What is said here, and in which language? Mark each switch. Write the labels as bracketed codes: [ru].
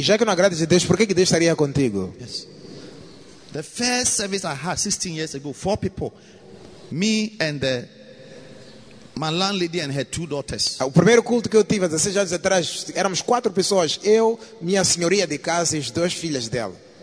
[pt] E já que não agradas a Deus, por que Deus estaria contigo? [en] Yes. The first service I had 16 years ago, 4 people, me and my landlady and her 2 daughters. [pt] O primeiro culto que eu tive 16 anos atrás, éramos 4 pessoas, eu, minha senhoria de casa e as 2 filhas dela.